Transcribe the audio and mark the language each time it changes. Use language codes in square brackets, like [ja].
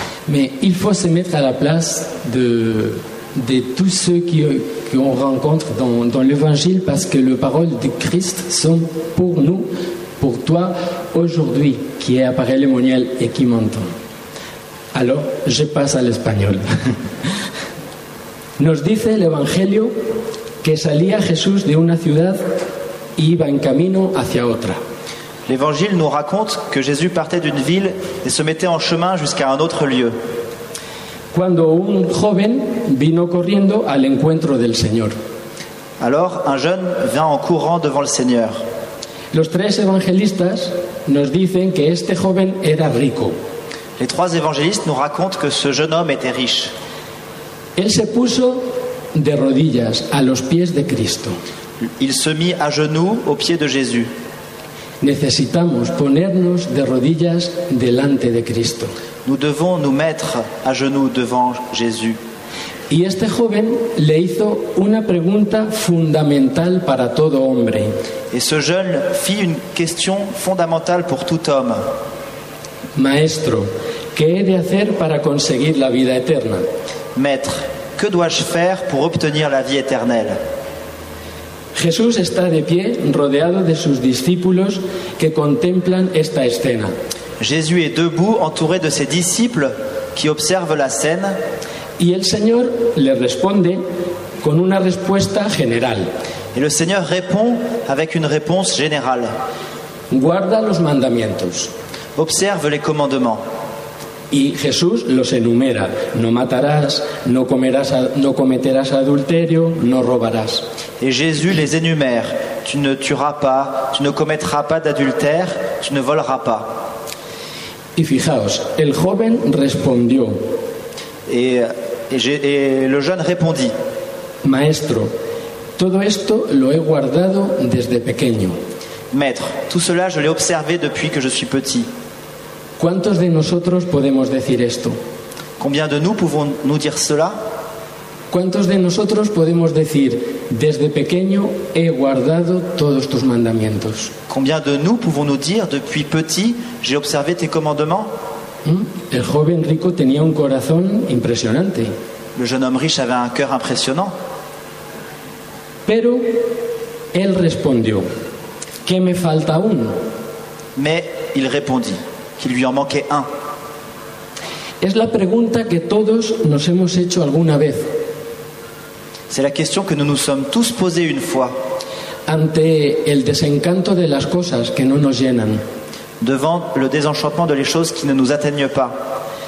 [fr] Mais il faut se mettre à la place de tous ceux qu'on rencontre dans l'évangile, parce que les paroles du Christ sont pour nous, pour toi aujourd'hui, qui est appareil lémoniel et qui m'entend. Alors, je passe à l'espagnol. [es] Nos dice el Evangelio que salía Jesús de una ciudad y iba en camino hacia otra. [fr] L'Évangile nous raconte que Jésus partait d'une ville et se mettait en chemin jusqu'à un autre lieu. [es] Cuando un joven vino corriendo al encuentro del Señor. [fr] Alors, un jeune vint en courant devant le Seigneur. [es] Los tres evangelistas nos dicen que este joven era rico. [fr] Les trois évangélistes nous racontent que ce jeune homme était riche. [es] Él se puso de rodillas a los pies de Cristo. [fr] Il se mit à genoux aux pieds de Jésus. [es] Necesitamos ponernos de rodillas delante de Cristo. [fr] Nous devons nous mettre à genoux devant Jésus. [es] Y este joven le hizo una pregunta fundamental para todo hombre. [fr] Et ce jeune fit une question fondamentale pour tout homme. [es] Maestro, ¿qué he de hacer para conseguir la vida eterna? [fr] Maître, que dois-je faire pour obtenir la vie éternelle? [es] Jesús está de pie, rodeado de sus discípulos que contemplan esta escena. [fr] Jésus est debout, entouré de ses disciples qui observent la scène. [es] Y el Señor le responde con una respuesta general. [fr] Et le Seigneur répond avec une réponse générale. [es] Guarda los mandamientos. [fr] Observe les commandements. [es] Y Jesús los enumera. No matarás, no cometerás adulterio, no robarás. [fr] Et Jésus les énumère. Tu ne tueras pas, tu ne commettras pas d'adultère, tu ne voleras pas. [es] Y fijaos, el joven respondió. [fr] Et le jeune répondit. [es] Maestro, todo esto lo he guardado desde pequeño. [fr] Maître, tout cela je l'ai observé depuis que je suis petit. [es] ¿Cuántos de nosotros podemos decir esto? [fr] Combien de nous pouvons-nous dire cela? [es] ¿Cuántos de nosotros podemos decir desde pequeño he guardado todos tus mandamientos? [fr] Combien de nous pouvons-nous dire depuis petit j'ai observé tes commandements? [es] El joven rico tenía un corazón impresionante. [fr] Le jeune homme riche avait un cœur impressionnant. [es] Pero él respondió, ¿qué me falta aún? [fr] Mais il répondit qu'il lui en manquait un. [es] Es la pregunta que todos nos hemos hecho alguna vez. [fr] C'est la question que nous nous sommes tous posés une fois. [es] Ante el desencanto de las cosas que no nos llenan. [fr] Devant le désenchantement de les choses qui ne nous atteignent pas.